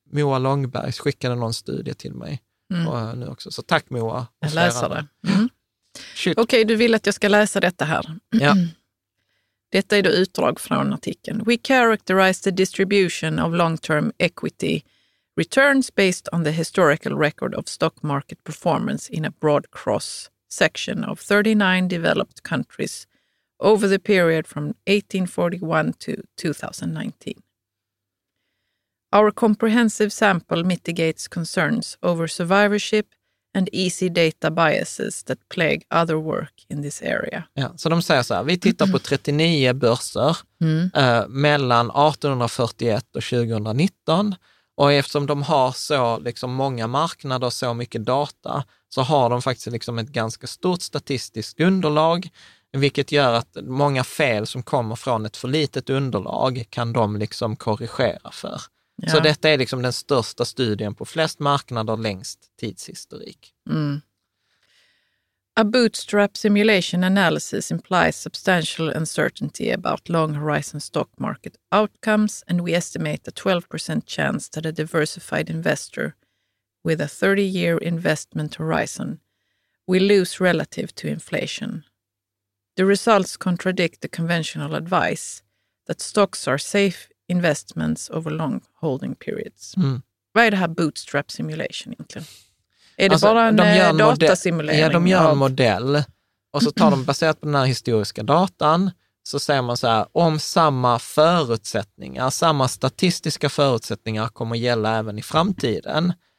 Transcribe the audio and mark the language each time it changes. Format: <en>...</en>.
<sv>Moa Långberg skickade någon studie till mig. Mm. Och nu också. Så tack Moa. En läsare. Mm. Okej, du vill att jag ska läsa detta här. Ja. Detta är då utdrag från artikeln.</sv> <en>We characterize the distribution of long-term equity returns based on the historical record of stock market performance in a broad cross-section of 39 developed countries over the period from 1841 to 2019. Our comprehensive sample mitigates concerns over survivorship and easy data biases that plague other work in this area.</en> <sv>Ja, så de säger så här, vi tittar på 39 börser mellan 1841 och 2019. Och eftersom de har så liksom många marknader och så mycket data, så har de faktiskt liksom ett ganska stort statistiskt underlag, vilket gör att många fel som kommer från ett för litet underlag kan de liksom korrigera för. Ja. Så detta är liksom den största studien på flest marknader längst tidshistorik.</sv> <en>Mm. A bootstrap simulation analysis implies substantial uncertainty about long horizon stock market outcomes, and we estimate a 12% chance that a diversified investor with a 30-year investment horizon will lose relative to inflation. The results contradict the conventional advice that stocks are safe investments over long holding periods. Mm.</en> <sv>Vad är det här bootstrap simulation egentligen? Är det alltså, bara en datasimulering? Ja, de gör en modell och så tar de baserat på den här historiska datan. Så säger man så här, om samma förutsättningar, samma statistiska förutsättningar kommer gälla även i framtiden.</sv>